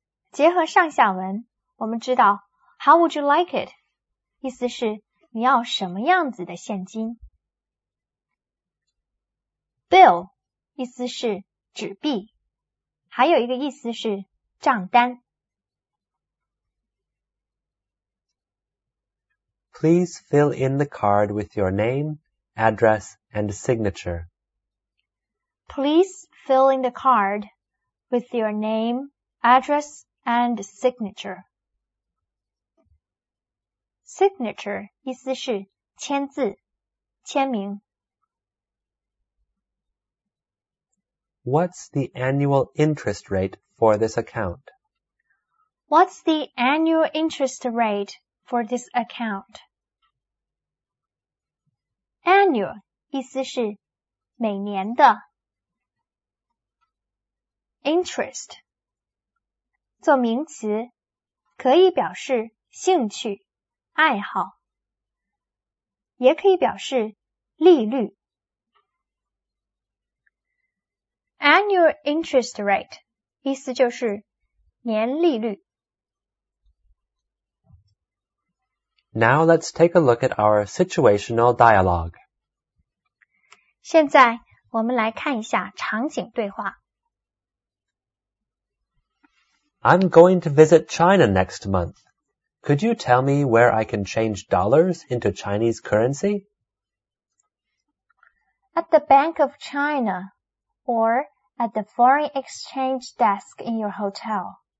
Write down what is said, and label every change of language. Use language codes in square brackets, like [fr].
[zh] 结合上下文，我们知道 [en] How would you like it? [zh] 意思是你要什么样子的现金？ Bill 意思是纸币，还有一个意思是账单。 [en] Please fill in the card with your name, address, and signature. Please fill in the card with your name, address, and signature. Signature [zh] 意思是签字、签名。 [en] What's the annual interest rate for this account? What's the annual interest rate for this account? [zh] Annual 意思是每年的。 Interest 做名词可以表示兴趣、爱好，也可以表示利率。 Annual interest rate 意思就是年利率。 [en] Now let's take a look at our situational dialogue. [zh] 现在我们来看一下场景对话。 [en] I'm going to visit China next month. Could you tell me where I can change dollars into Chinese currency? At the Bank of China or at the foreign exchange desk in your hotel.